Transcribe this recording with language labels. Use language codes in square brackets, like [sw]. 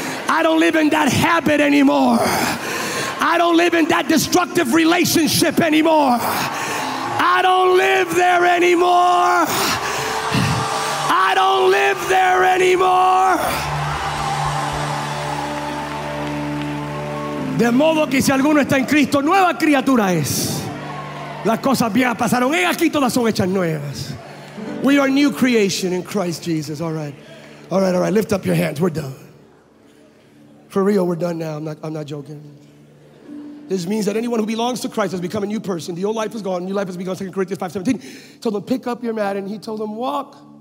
[en] I don't live in that habit anymore. I don't live in that destructive relationship anymore. I don't live there anymore. I don't live there anymore. [es] De modo que si alguno está en Cristo, nueva criatura es. Las cosas viejas pasaron. He aquí todas son hechas nuevas. [en] We are new creation in Christ Jesus. All right. Lift up your hands. We're done. For real, we're done now. I'm not joking. This means that anyone who belongs to Christ has become a new person. The old life is gone. New life has begun. 2 Corinthians 5:17. Told them, pick up your mat. And he told them, walk.